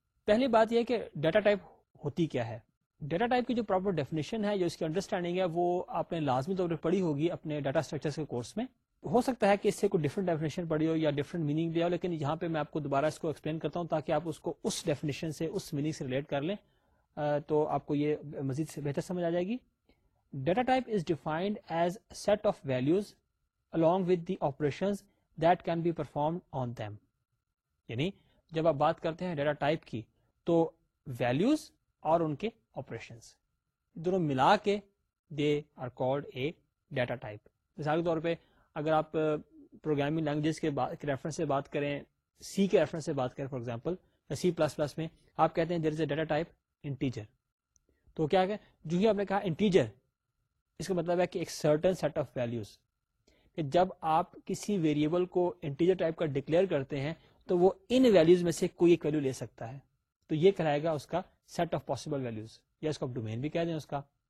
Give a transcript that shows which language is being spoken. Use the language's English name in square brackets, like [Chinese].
[Urdu] پہلی بات یہ کہ ڈیٹا ٹائپ ہوتی کیا ہے. ڈیٹا ٹائپ کی جو پراپر ڈیفینیشن ہے یا اس کی انڈرسٹینڈنگ ہے وہ آپ نے لازمی طور پہ پڑھی ہوگی اپنے ڈیٹا اسٹرکچر کے کورس میں. ہو سکتا ہے کہ اس سے کوئی ڈفرنٹ ڈیفینیشن پڑھی ہو یا ڈفرنٹ میننگ لیا ہو، لیکن یہاں پہ میں آپ کو دوبارہ اس کو ایکسپلین کرتا ہوں تاکہ آپ اس کو اس ڈیفینیشن سے اس میننگ سے ریلیٹ کر لیں، تو آپ کو یہ مزید سے بہتر سمجھ آ جائے گی. [English] Data type is defined as a set of values along with the operations that can be performed on them. [Urdu] یعنی جب آپ بات کرتے ہیں ڈیٹا ٹائپ کی تو ویلوز اور ان کے آپریشنس دونوں ملا کے [English] They are called a data type. [Urdu] مثال کے طور پہ اگر آپ پروگرامنگ لینگویجز کے ریفرنس سے بات کریں, سی کے ریفرنس سے بات کریں, for example C plus plus میں آپ کہتے ہیں [English] there is a data type integer, [Urdu] تو کیا کہ جو ہی آپ نے کہا انٹیجر, اس کا مطلب ہے کہ ایک سرٹن سیٹ آف ویلیوز, کہ جب آپ کسی ویریبل کو انٹیجر ٹائپ کا ڈکلیئر کرتے ہیں تو وہ ان ویلیوز میں سے کوئی ایک ویلیو لے سکتا ہے, تو یہ کہلائے گا اس کا سیٹ آف پاسبل ویلیوز, یا اس کو آپ ڈومین بھی کہہ دیں اس کا.